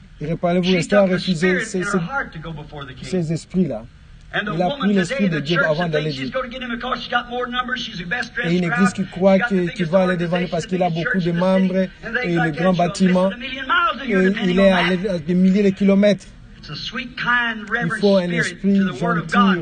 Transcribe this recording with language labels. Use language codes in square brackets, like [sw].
[fr] Rappelez-vous, Esther a refusé ces esprits-là. [en] And the woman today, the church, thinks she's going to get him because she's got more numbers. She's the best dressed. [fr] Et une église qui croit que tu vas aller devant lui parce qu'il a beaucoup de membres et le grand bâtiment. Et il est à des milliers de kilomètres. [en] It's a sweet, kind, reverent spirit to the word of God.